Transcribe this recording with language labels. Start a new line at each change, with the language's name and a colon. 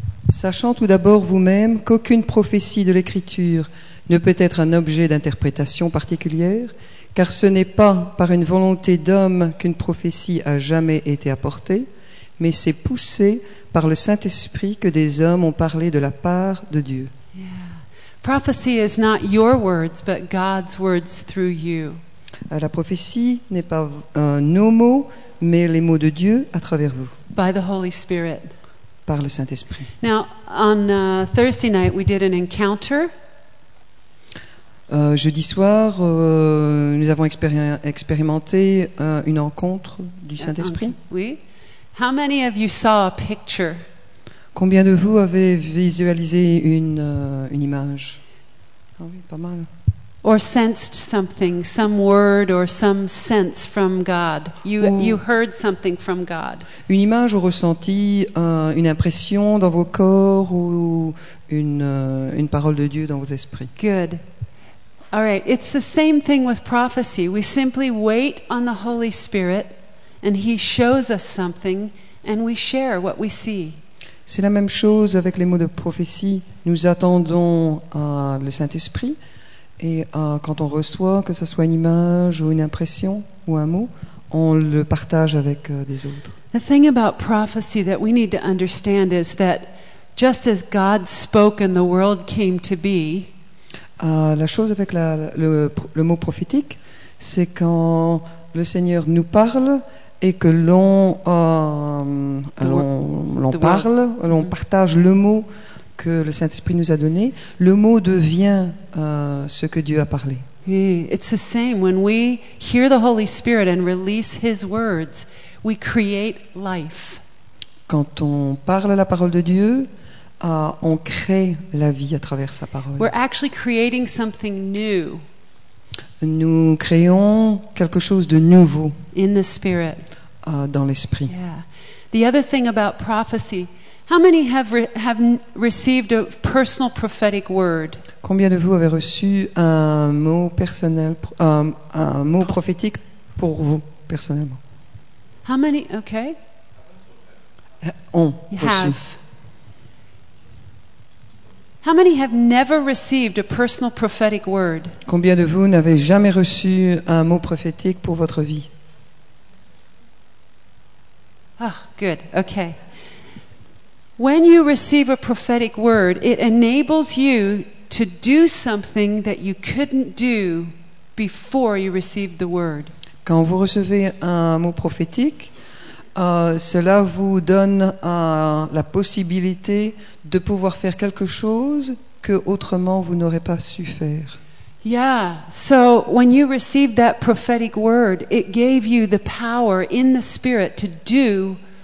French: Sachant tout d'abord vous-même qu'aucune prophétie de l'Écriture ne peut être un objet d'interprétation particulière, car ce n'est pas par une volonté d'homme qu'une prophétie a jamais été apportée, mais c'est poussé par le Saint-Esprit que des hommes ont parlé de la part de Dieu.
English: Prophecy is not your words, but God's words through you.
French: La prophétie n'est pas nos mots, mais les mots de Dieu à travers vous.
English: By the Holy Spirit.
French: Par le Saint-Esprit.
English: Now, on Thursday night, we did an encounter.
French: Jeudi soir, nous avons expérimenté une rencontre du Saint-Esprit. Oui.
English: How many of you saw a picture?
French: Combien de vous avez visualisé une image? Oh oui, pas mal.
English: Or sensed something, some word or some sense from God. You heard something from God.
French: Une image ou ressenti, une impression dans vos corps ou une parole de Dieu dans vos esprits.
English: Good. All right. It's the same thing with prophecy. We simply wait on the Holy Spirit, and He shows us something, and we share what we see.
French: C'est la même chose avec les mots de prophétie. Nous attendons le Saint-Esprit et quand on reçoit, que ce soit une image ou une impression ou un mot, on le partage avec des autres.
English: The thing about prophecy that we need to understand is that just as God spoke and the world came to be,
French: la chose avec le mot prophétique, c'est quand le Seigneur nous parle et que l'on partage le mot que le Saint-Esprit nous a donné, le mot devient ce que Dieu a parlé.
English: It's the same when we hear the Holy Spirit and release His words, we create life.
French: Quand on parle la parole de Dieu, on crée la vie à travers sa parole.
English: We're actually creating something new.
French: Nous créons quelque chose de nouveau
English: in the spirit.
French: Dans l'esprit.
English: Yeah. The other thing about prophecy, how many have received a personal prophetic word?
French: Combien de vous avez reçu un mot prophétique pour vous personnellement?
English: How many? Okay.
French: Ont
English: have.
French: Reçu.
English: How many have never received a personal prophetic word?
French: Combien de vous n'avez jamais reçu un mot prophétique pour votre vie?
English: Oh, good. Okay. When you receive a prophetic word, it enables you to do something that you couldn't do before you received the word.
French: Quand vous recevez un mot prophétique, cela vous donne la possibilité de pouvoir faire quelque chose que autrement vous n'aurez pas su faire.
English: Yeah. So when you received that prophetic word, it gave you the power in the spirit to do